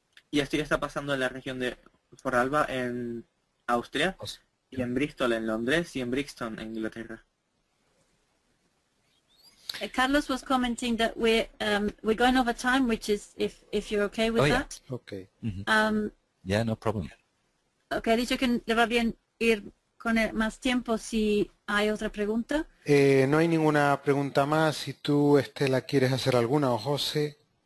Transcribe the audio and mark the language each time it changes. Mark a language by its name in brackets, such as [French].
[Spanish] Y esto ya está pasando en la región de Foralba en Austria, y en Bristol en Londres, y en Brixton en Inglaterra. [English] Carlos was commenting that we're going over time, which is if you're okay with that. Yeah. Okay. Mm-hmm. Yeah, no problem. [Spanish] Okay, dicho que le va bien ir con más tiempo si hay otra pregunta. No hay ninguna pregunta más. Si tú, Estela, quieres hacer alguna o José.